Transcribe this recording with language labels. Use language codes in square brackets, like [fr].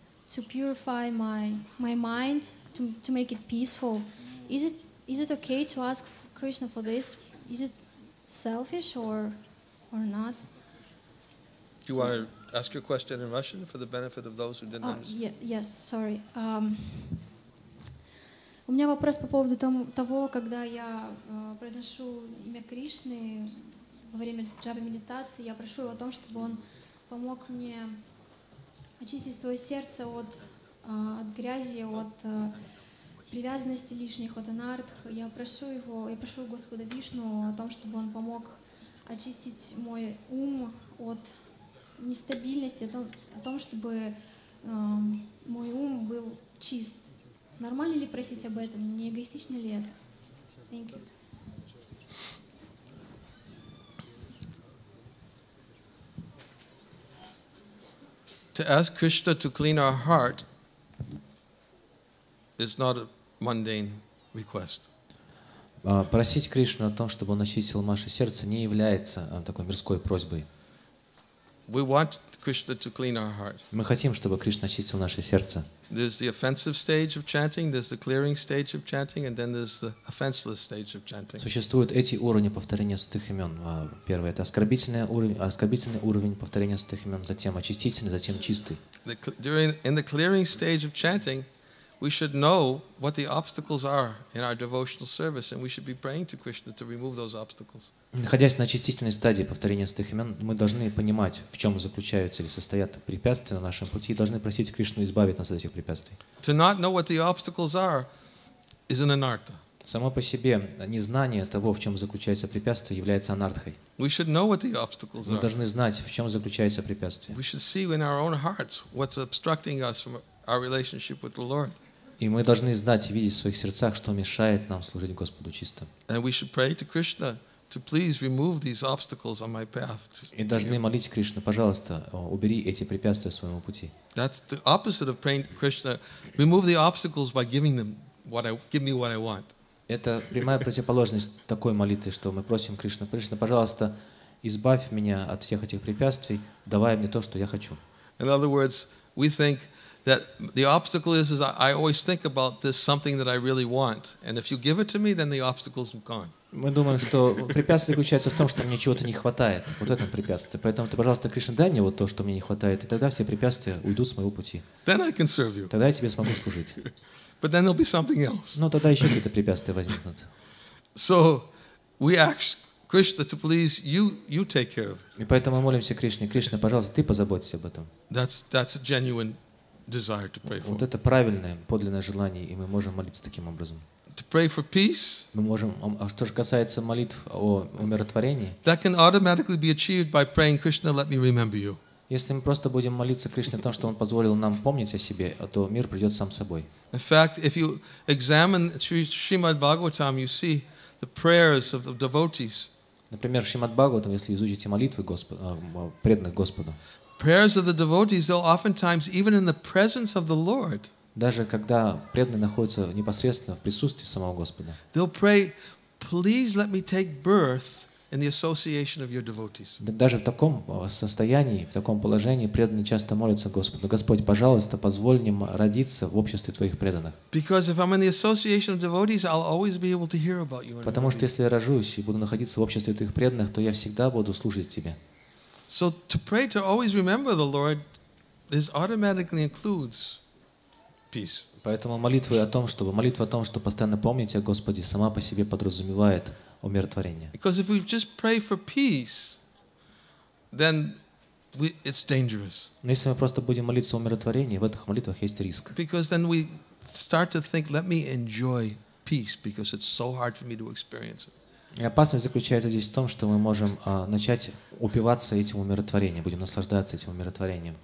[en] to purify my mind, to make it peaceful. Is it okay to ask Krishna for this? Is it selfish or not? Do you want to ask your question in Russian for the benefit of those who didn't understand? Yes, sorry. [ru] У меня вопрос по поводу того, когда я произношу имя Кришны во время джапа медитации, я прошу его о том, чтобы он помог мне очистить свое сердце от грязи, от привязанности лишних, от анардх. Я прошу его, я прошу Господа Вишну о том, чтобы он помог очистить мой ум от нестабильности, о том, чтобы мой ум был чист. Нормально ли просить об этом? Не эгоистично ли это? [en] Thank you. To ask Krishna to clean our heart is not a mundane request. [ru] Просить Кришну о том, чтобы он очистил наше сердце, не является такой мирской просьбой. [en] We want Krishna to clean our heart. [ru] Мы хотим, чтобы Кришна очистил наше сердце. [en] There's the offensive stage of chanting, there's the clearing stage of chanting, and then there's the offenseless stage of chanting. [ru] Существуют эти уровни повторения святых имен. Первый — это оскорбительный уровень повторения святых имен, затем очистительный, затем чистый. [en] In the clearing stage of chanting, we should know what the obstacles are in our devotional service, and we should be praying to Krishna to remove those obstacles. [ru] Находясь на очистительной стадии повторения святых имен, мы должны понимать, в чем заключаются или состоят препятствия на нашем пути, и должны просить Кришну избавить нас от этих препятствий. [en] To not know what the obstacles are is an anartha. [ru] Само по себе незнание того, в чем заключается препятствие, является анартхой. [en] We should know what the obstacles are. [ru] Мы должны знать, в чем заключается препятствие. [en] We should see in our own hearts what's obstructing us from our relationship with the Lord. [ru] И мы должны знать и видеть в своих сердцах, что мешает нам служить Господу чисто. [en] And we should pray to Krishna to please remove these obstacles on my path. [ru] И должны молить Кришну, пожалуйста, убери эти препятствия с своего пути. [en] That's the opposite of praying to Krishna, remove the obstacles by giving them what I give me what I want. [ru] Это прямая противоположность такой молитвы, что мы просим Кришну: Кришна, пожалуйста, избавь меня от всех этих препятствий, давай мне то, что я хочу. [en] In other words, we think that the obstacle is I always think about this something that I really want, and if you give it to me, then the obstacle's gone. [ru] Мы думаем, что препятствие заключается в том, что мне чего-то не хватает. Вот это препятствие. Поэтому ты, пожалуйста, Кришна, дай мне вот то, что мне не хватает, и тогда все препятствия уйдут с моего пути. [en] Then I can serve you. [ru] Тогда я тебе смогу служить. [en] But then there'll be something else. [ru] Но тогда еще какие-то препятствия возникнут. [en] So we ask Krishna to please you take care of it. [ru] И поэтому мы молимся Кришне: Кришна, пожалуйста, ты позаботься об этом. [en] That's a genuine desire to pray for. [ru] Вот это правильное, подлинное желание, и мы можем молиться таким образом. [en] To pray for peace. [ru] Мы можем, а что же касается молитв о умиротворении? [en] That can automatically be achieved by praying, Krishna, let me remember you. [ru] Если мы просто будем молиться Кришне о том, что Он позволил нам помнить о себе, то мир придет сам собой. [en] In fact, if you examine Srimad Bhagavatam, you see the prayers of the devotees. [ru] Например, Шримад Бхагаватам, если изучите молитвы преданных Господу. [en] Prayers of the devotees, though oftentimes even in the presence of the Lord. [ru] Даже когда преданные находятся непосредственно в присутствии самого Господа. [en] They'll pray, please let me take birth in the association of your devotees. [ru] Даже в таком состоянии, в таком положении преданные часто молятся Господу: Господь, пожалуйста, позволь мне родиться в обществе твоих преданных. [en] Because if I'm in the association of devotees, I'll always be able to hear about you. [ru] Потому что если я рожусь и буду находиться в обществе твоих преданных, то я всегда буду служить тебе. [en] So to pray to always remember the Lord, this automatically includes peace. [ru] Поэтому молитва о том, чтобы постоянно помнить о Господе, сама по себе подразумевает умиротворение. [en] Because if we just pray for peace, then it's dangerous. [ru] Но если мы просто будем молиться о умиротворении, в этих молитвах есть риск. [en] Because then we start to think, let me enjoy peace, because it's so hard for me to experience it. [ru] И опасность заключается здесь в том, что мы можем начать упиваться этим умиротворением, будем наслаждаться этим умиротворением.